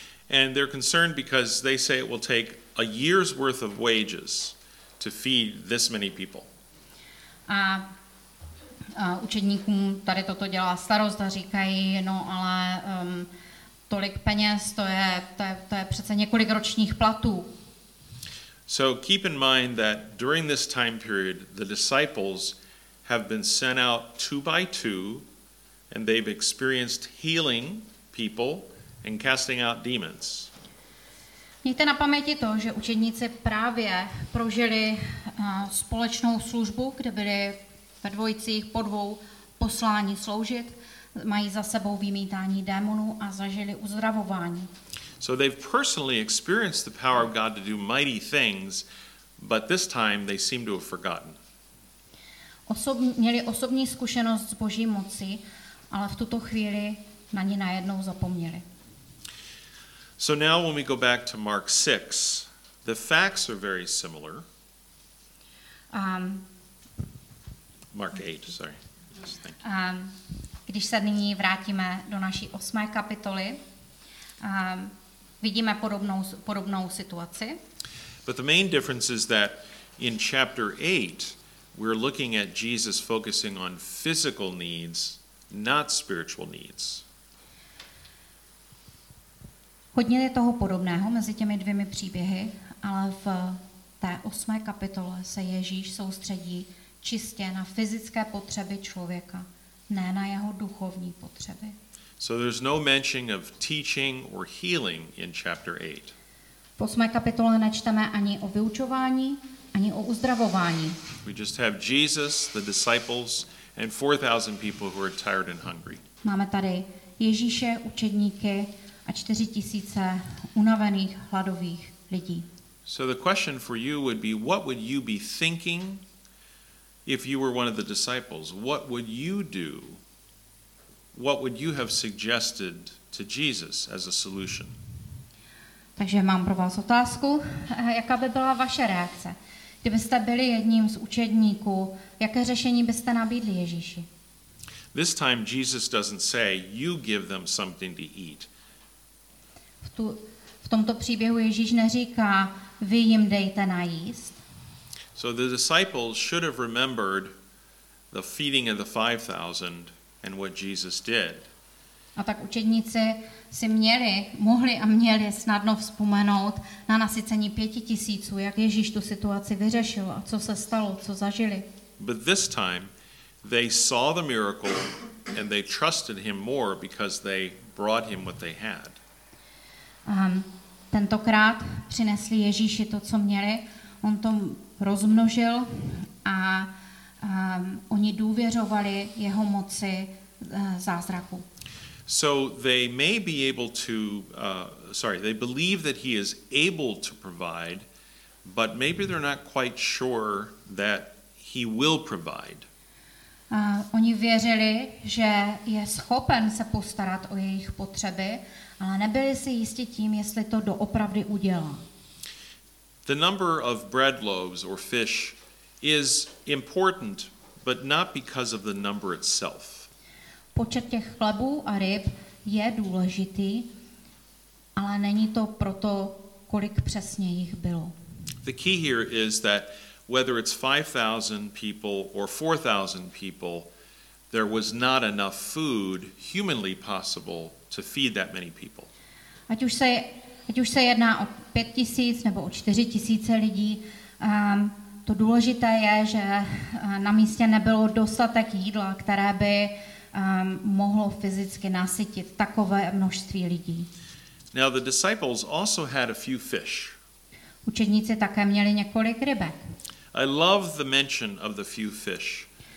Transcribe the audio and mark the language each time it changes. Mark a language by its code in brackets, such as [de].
[en] And they're concerned because they say it will take a year's worth of wages to feed this many people. [cs] A učedníkům tady toto dělá starost a říkají, no ale tolik peněz, to je přece několik ročních platů. [en] So keep in mind that during this time period, the disciples have been sent out two by two and they've experienced healing people and casting out demons. [cs] Mějte na paměti to, že učedníci právě prožili společnou službu, kde byli ve dvojicích po dvou poslání sloužit, mají za sebou vymítání démonů a zažili uzdravování. [en] So they've personally experienced the power of God to do mighty things, but this time they seem to have forgotten. [cs] Měli osobní zkušenost s Boží mocí, ale v tuto chvíli na ni najednou zapomněli. [en] So now when we go back to Mark 6, the facts are very similar. Mark 8, sorry. [cs] Když se nyní vrátíme do naší 8. kapitoly, vidíme podobnou situaci. [en] But the main difference is that in chapter 8, we're looking at Jesus focusing on physical needs, not spiritual needs. [cs] Hodně je toho podobného mezi těmi dvěmi příběhy, ale v té 8. kapitole se Ježíš soustředí čistě na fyzické potřeby člověka, ne na jeho duchovní potřeby. [en] So there's no mention of teaching or healing in chapter 8. [cs] V 8. kapitole nečteme ani o vyučování, ani o uzdravování. [en] We just have Jesus, the disciples, and 4,000 people who are tired and hungry. [cs] Máme tady Ježíše, učedníky a 4,000 unavených, hladových lidí. [en] So the question for you would be, what would you be thinking if you were one of the disciples? What would you do? What would you have suggested to Jesus as a solution? [cs] Takže mám pro vás otázku, jaká by byla vaše reakce? Kdybyste byli jedním z učedníků, jaké řešení byste nabídli Ježíši? [en] This time Jesus doesn't say, you give them something to eat. [cs] V tomto příběhu Ježíš neříká, vy jim dejte najíst. [en] So the disciples should have remembered the feeding of the 5,000 and what Jesus did. [cs] A tak učedníci si mohli a měli snadno vzpomenout na nasycení 5,000, jak Ježíš tu situaci vyřešil a co se stalo, co zažili. [en] But this time they saw the miracle and they trusted him more because they brought him what they had. [cs] Tentokrát přinesli Ježíši to, co měli. On to rozmnožil a oni důvěřovali jeho moci zázraku. [en] So they may be able to they believe that he is able to provide, but maybe they're not quite sure that he will provide. [cs] Oni věřili, že je schopen se postarat o jejich potřeby, ale nebyli si jisti tím, jestli to doopravdy udělá. [en] The number of bread loaves or fish is important, but not because of the number itself. [cs] Počet těch chlebů a ryb je důležitý, ale není to proto, kolik přesně jich bylo. [en] The key here is that whether it's 5,000 people or 4,000 people, there was not enough food humanly possible to feed that many people. [cs] Ať už se jedná o 5,000 nebo o 4,000 lidí, to důležité je, že na místě nebylo dostatek jídla, které by mohlo fyzicky nasytit takové množství lidí. [en] Now the disciples also had a few fish. [cs] Učedníci také měli několik rybek. [en] I love the mention of the few fish.